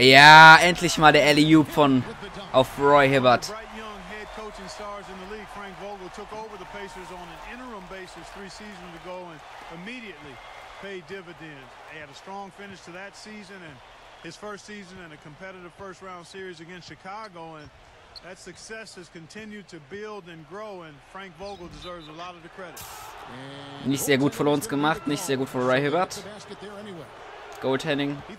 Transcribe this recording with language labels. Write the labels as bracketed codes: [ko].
[de] Ja, endlich mal der Alley-Oop von auf Roy Hibbert. [en] Coaching stars in the league, Frank Vogel took over the Pacers on an interim basis three seasons ago and immediately paid dividends. He had a strong finish to that season and his first season in a competitive first round series against Chicago, and that success has continued to build and grow, and Frank Vogel deserves a lot of the credit. [de] Nicht sehr gut von uns gemacht, nicht sehr gut von Roy Hibbert. Goaltending.